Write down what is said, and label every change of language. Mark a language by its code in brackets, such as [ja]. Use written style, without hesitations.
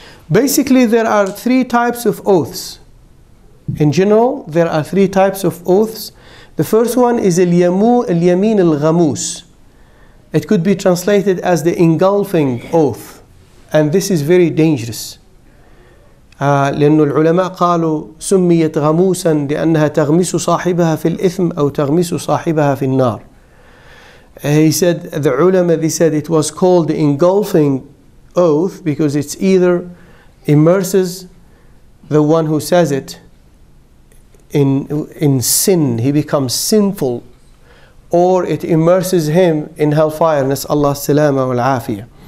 [en] Basically, there are three types of oaths. In general, there are three types of oaths. The first one is al-yamin al-ghamus. It could be translated as the engulfing oath. And this is very dangerous. [ar] لأنه العلماء قالوا سميت غموسا لأنها تغمس صاحبها في الإثم أو تغمس صاحبها في النار. [en] He said, the ulama, they said it was called the engulfing oath because it's either immerses the one who says it in sin, he becomes sinful, or it immerses him in hellfire, [ar] nas'Allah salama wal afiyah.